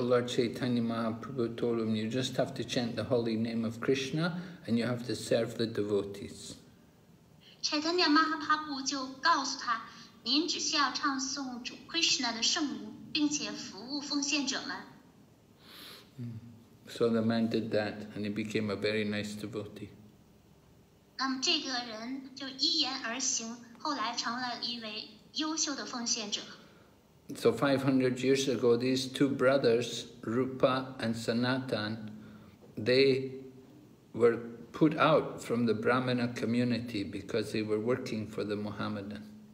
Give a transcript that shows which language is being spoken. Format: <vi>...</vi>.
<en>Lord Chaitanya Mahaprabhu told him, you just have to chant the holy name of Krishna, and you have to serve the devotees.</en> <zh>柴丹尼玛哈巴布就告诉他，您只需要唱诵主 Krishna 的圣名，并且服务奉献者们。</zh> <en>So the man did that, and he became a very nice devotee.</en> <zh>这个人就一言而行，后来成了一位优秀的奉献者。</zh> <en>So 500 years ago, these two brothers, Rupa and Sanatan, they were put out from the Brahmana community because they were working for the Mohammedan.</en>